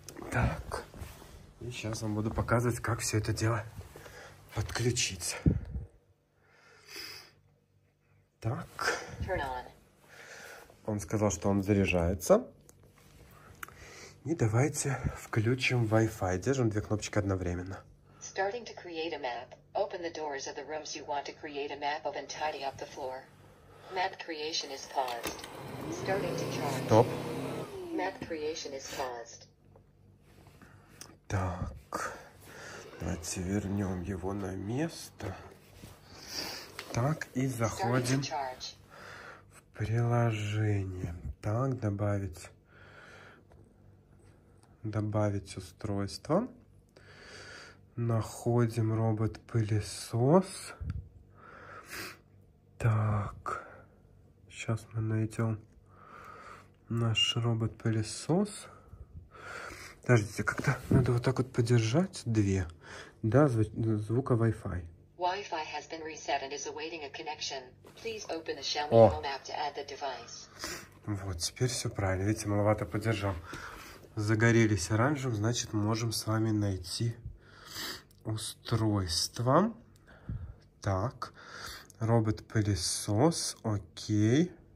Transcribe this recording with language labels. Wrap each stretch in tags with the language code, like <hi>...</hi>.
<ru>Так, и сейчас вам буду показывать, как все это дело подключить. Так. Он сказал, что он заряжается. И давайте включим Wi-Fi. Держим две кнопочки одновременно.</ru> <en>Starting to create a map. Open the doors of the rooms you want to create a map of and tidy up the floor. Map creation is paused. Starting to charge. Stop. Map creation is paused.</en> <ru>Так. Давайте вернем его на место. Так, и заходим в приложение. Так, добавить устройство. Находим робот-пылесос. Так, сейчас мы найдем наш робот-пылесос. Подождите, как-то надо вот так вот подержать две. Да, звука Wi-Fi.</ru> <en>Wi-Fi has been reset and is awaiting a connection. Please open the Xiaomi Home app to add the device.</en> <ru>Вот, теперь все правильно. Видите, маловато подержал. Загорелись оранжевым, значит, можем с вами найти устройство. Так, робот-пылесос, окей.</ru>